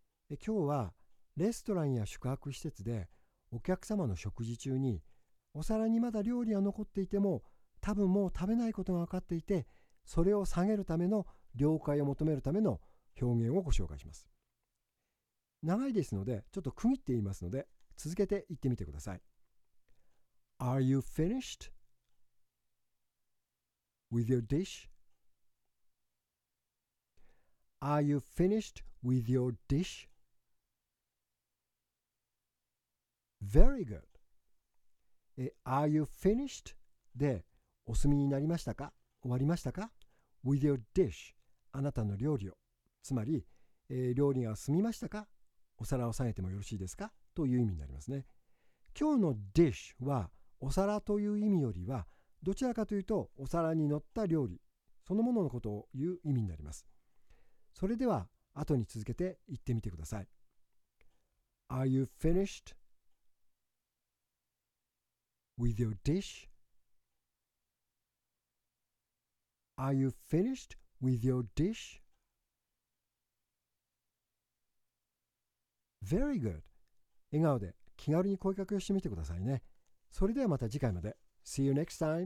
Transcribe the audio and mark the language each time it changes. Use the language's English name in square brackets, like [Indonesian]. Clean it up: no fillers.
[Japanese] 今日はレストランや宿泊施設でお客様の食事中にお皿にまだ料理が残っていても多分もう食べないことが分かっていて、それを下げるための了解を求めるための表現をご紹介します。長いですのでちょっと区切って言いますので、続けて言ってみてください。 [English] Are you finished with your dish? Are you finished with your dish? Very goodAre you finished? [Japanese] で、お済みになりましたか？終わりましたか？ [English] With your dish? [Japanese] あなたの料理を。つまり、料理が済みましたか？お皿を下げてもよろしいですか？という意味になりますね。今日の dish は、お皿という意味よりは、どちらかというと、お皿に乗った料理、そのもののことを言う意味になります。それでは、後に続けて言ってみてください。 [English] Are you finished? With your dish? Are you finished with your dish? Very good. [Japanese] 笑顔で気軽に声かけをしてみてくださいね。それではまた次回まで。 [English] See you next time.